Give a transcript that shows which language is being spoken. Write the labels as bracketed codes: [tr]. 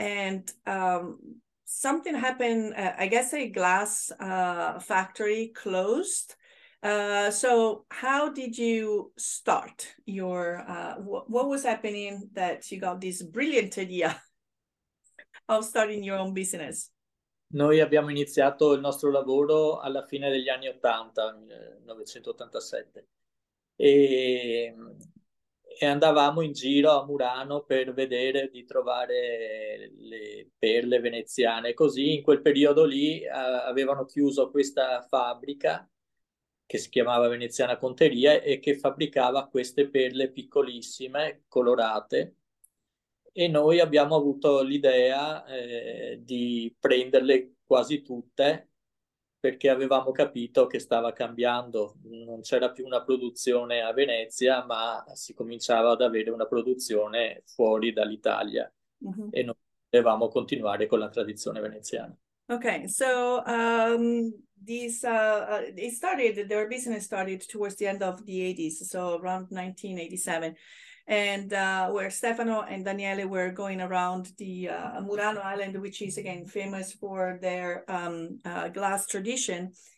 [en] And something happened, I guess a glass factory closed. So how did you start your, what was happening that you got this brilliant idea of starting your own business? [it] Noi abbiamo iniziato il nostro lavoro alla fine degli anni 80, 1987, e andavamo in giro a Murano per vedere di trovare le perle veneziane. Così in quel periodo lì avevano chiuso questa fabbrica che si chiamava Veneziana Conteria e che fabbricava queste perle piccolissime, colorate. E noi abbiamo avuto l'idea di prenderle quasi tutte perché avevamo capito che stava cambiando, non c'era più una produzione a Venezia, ma si cominciava ad avere una produzione fuori dall'Italia e non potevamo continuare con la tradizione veneziana. [en] Okay, so their business started towards the end of the 80s, so around 1987, and where Stefano and Daniele were going around the Murano Island, which is again famous for their glass tradition.